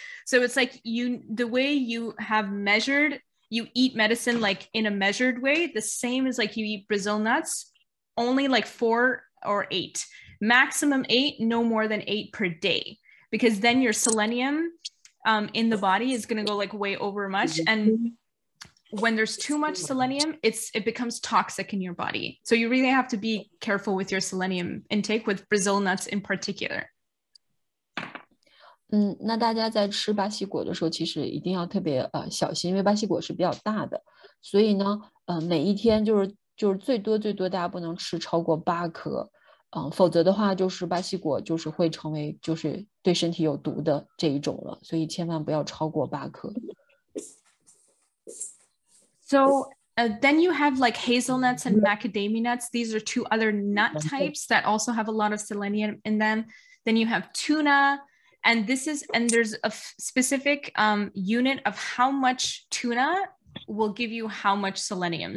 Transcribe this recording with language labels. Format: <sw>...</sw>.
<en>So it's like you, the way you have measured, you eat medicine like in a measured way, the same as like you eat Brazil nuts, only like 4 or 8, maximum 8, no more than 8 per day, because then your selenium in the body is going to go like way over much. And when there's too much selenium, it becomes toxic in your body. So you really have to be careful with your selenium intake, with Brazil nuts in particular.</en> <zh>那大家在吃巴西果的时候其实一定要特别小心，因为巴西果是比较大的，所以呢每一天就是最多最多大家不能吃超过8颗，否则的话就是巴西果就是会成为就是对身体有毒的这一种了，所以千万不要超过8颗。</zh> <en>So, then you have like hazelnuts and macadamia nuts. These are two other nut types that also have a lot of selenium in them. Then you have tuna, and there's a specific unit of how much tuna will give you how much selenium.</en>